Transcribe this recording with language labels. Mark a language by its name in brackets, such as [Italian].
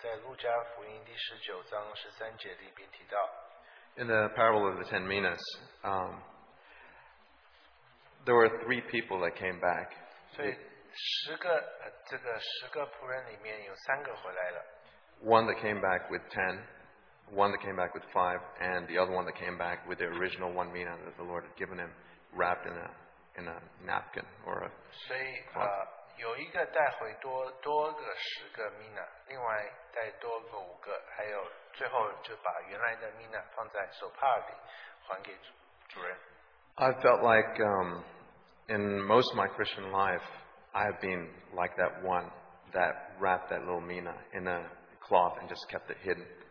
[Chinese] 所以在我愿意分享一点，在路加福音第十九章十三节里边提到。 [English] In the parable of the 10 minas, there were three people that came back. [Chinese] 所以十个仆人里面有三个回来了。 [English] One that came back with 10. One that came back with 5, and the other one that came back with the original 1 mina that the Lord had given him, wrapped in a napkin or a. [Chinese] 所以有一个带回多个十个mina，另外带多个五个，还有最后就把原来的mina放在手帕里还给主人。 [English] I felt like in most of my Christian life, I have been like that one that wrapped that little mina in a cloth and just kept it hidden.